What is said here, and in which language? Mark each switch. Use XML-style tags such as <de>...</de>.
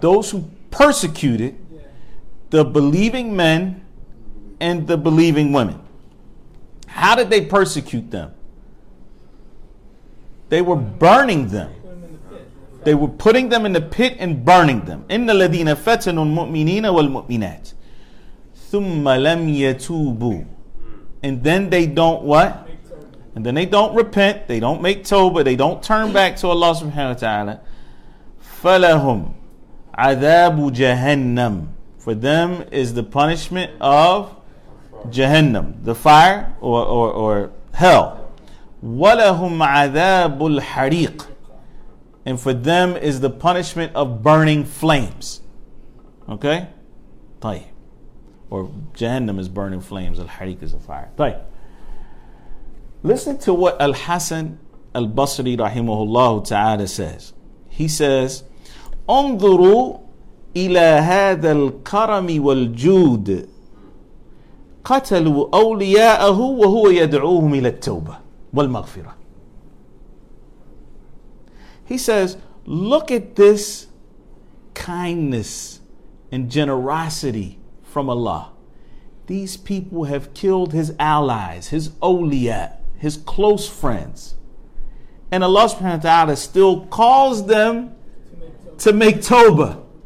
<en>Those who persecuted the believing men and the believing women. How did they persecute them? They were burning them. They were putting them in the pit and burning them.</en> <ar>إِنَّ الَّذِينَ فَتَنُوا الْمُؤْمِنِينَ وَالْمُؤْمِنَاتِ ثُمَّ لَمْ يَتُوبُوا.</ar> <en>And then they don't what? and then they don't repent, they don't make tawbah, they don't turn back to Allah subhanahu wa ta'ala,</en> <ar>falahum adabu jahannam,</ar> <en>for them is the punishment of jahannam, the fire or hell.</en> <ar>Walahum adabul hariq,</ar> <en>and for them is the punishment of burning flames. Okay? Tayyib. Or Jahannam is burning flames. Al-Hariq is a fire. Tayyib. Listen to what Al-Hasan Al-Basri rahimahullah ta'ala says. He says,</en> <ar>انظروا إلى هذا الكرم والجود قتلوا أولياءه وهو يدعوهم إلى التوبة والمغفرة.</ar> <en>He says, look at this kindness and generosity from Allah. These people have killed his allies, his awliya, his close friends. And Allah subhanahu wa ta'ala still calls them to make tawbah.</en>